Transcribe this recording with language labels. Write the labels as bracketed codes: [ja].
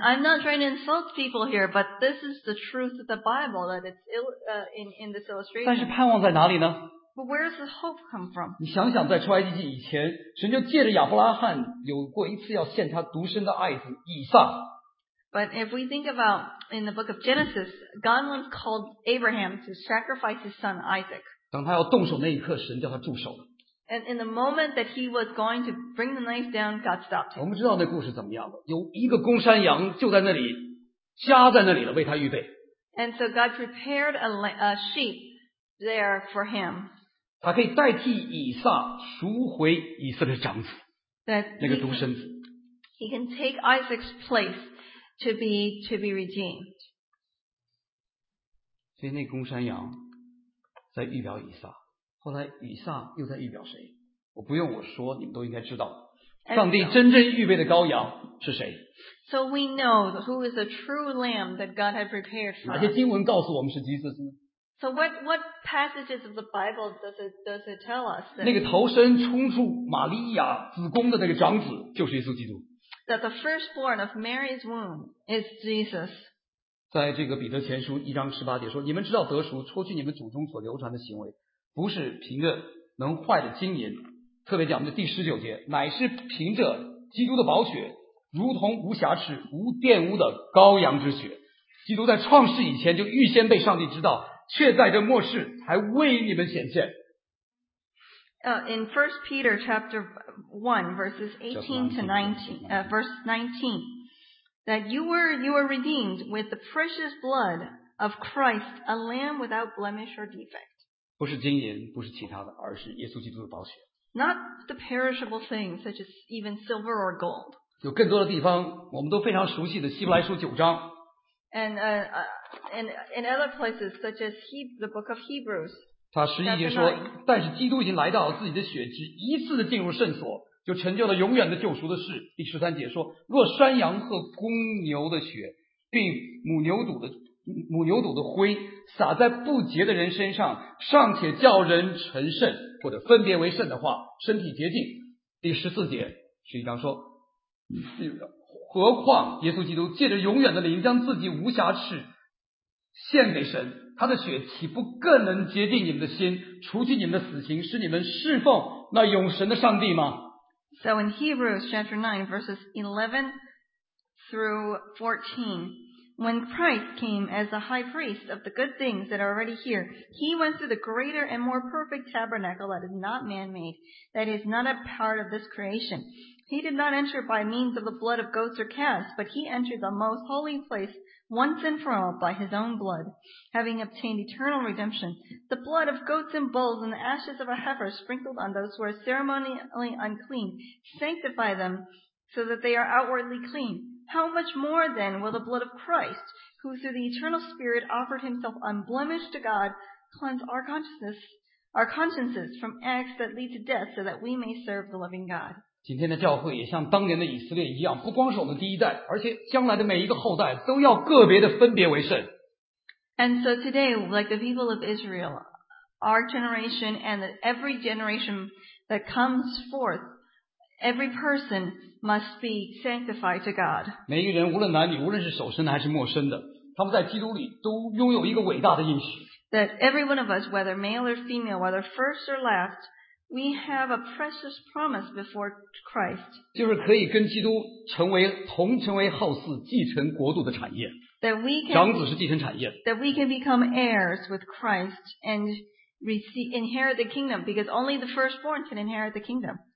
[en] And I'm not trying to insult people here, but this is the truth of the Bible that it's in this illustration. [zh] 但是盼望在哪里呢？ [en] But where does the hope come from? [zh] 你想想，在出埃及记以前，神就借着亚伯拉罕有过一次要献他独生的爱子以撒。 [en] But if we think about in the book of Genesis, God once called Abraham to sacrifice his son Isaac. [zh] 当他要动手那一刻，神叫他住手。 [en] And in the moment that he was going to bring the knife down, God stopped him. [zh] 我们知道那故事怎么样了？有一个公山羊就在那里，夹在那里了，为他预备。 [en] And so God prepared a sheep there for him. [zh] 他可以代替以撒赎回以色列长子 [en] that [zh] 那个独生子。 [en] He can take Isaac's place to be redeemed. [zh] 所以那公山羊在预表以撒，后来以撒又在预表谁？我不用我说，你们都应该知道，上帝真正预备的羔羊是谁。 [en] So we know who is the true lamb that God had prepared for. [zh] 哪些经文告诉我们是基督呢？ [en] So what passages of the Bible does it tell us? [zh] 那个头身冲出玛利亚子宫的那个长子就是耶稣基督。 [en] That the firstborn of Mary's womb is Jesus. [zh] 在这个彼得前书一章十八节说，你们知道得赎，脱去你们祖宗所流传的行为，不是凭着能坏的金银，特别讲的第十九节，乃是凭着基督的宝血，如同无瑕疵、无玷污的羔羊之血。基督在创世以前就预先被上帝知道，却在这末世才为你们显现。 [en] In 1 Peter chapter 1 verses 18 to 19, verse 19, that you were redeemed with the precious blood of Christ, a lamb without blemish or defect. [zh] 不是金银，不是其他的，而是耶稣基督的宝血。 [en] Not the perishable things, such as even silver or gold. [zh] 有更多的地方，我们都非常熟悉的希伯来书九章。 [en] And in other places, such as the book of Hebrews. [zh] 他十一节说，但是基督已经来到自己的血，只一次的进入圣所，就成就了永远的救赎的事。第十三节说，若山羊和公牛的血，并母牛犊的灰撒在不洁的人身上，尚且叫人成圣或者分别为圣的话，身体洁净。第十四节十一章说，何况耶稣基督借着永远的灵将自己无瑕疵献给神，他的血岂不更能洁净你们的心，除去你们的死刑，使你们侍奉那永神的上帝吗？ [en] So in Hebrews chapter 9 verses 11 through 14, when Christ came as the high priest of the good things that are already here, he went through the greater and more perfect tabernacle that is not man-made, that is not a part of this creation. He did not enter by means of the blood of goats or calves, but he entered the most holy place once and for all by his own blood, having obtained eternal redemption. The blood of goats and bulls and the ashes of a heifer sprinkled on those who are ceremonially unclean sanctify them so that they are outwardly clean. How much more then will the blood of Christ, who through the eternal Spirit offered himself unblemished to God, cleanse our consciences from acts that lead to death so that we may serve the living God? [zh] 今天的教会也像当年的以色列一样，不光是我们第一代，而且将来的每一个后代都要个别的分别为圣。 [en] And so today, like the people of Israel, our generation and every generation that comes forth, every person must be sanctified to God. [zh] 每一个人无论男女，无论是守身的还是陌生的，他们在基督里都拥有一个伟大的应许。 [en] That every one of us, whether male or female, whether first or last, we have a precious promise before Christ. [zh] 就是可以跟基督同成为后嗣，继承国度的产业。 [en] That we can [zh] 长子是继承产业。 [en] That we can become heirs with Christ and inherit the kingdom, because only the firstborn can inherit the kingdom.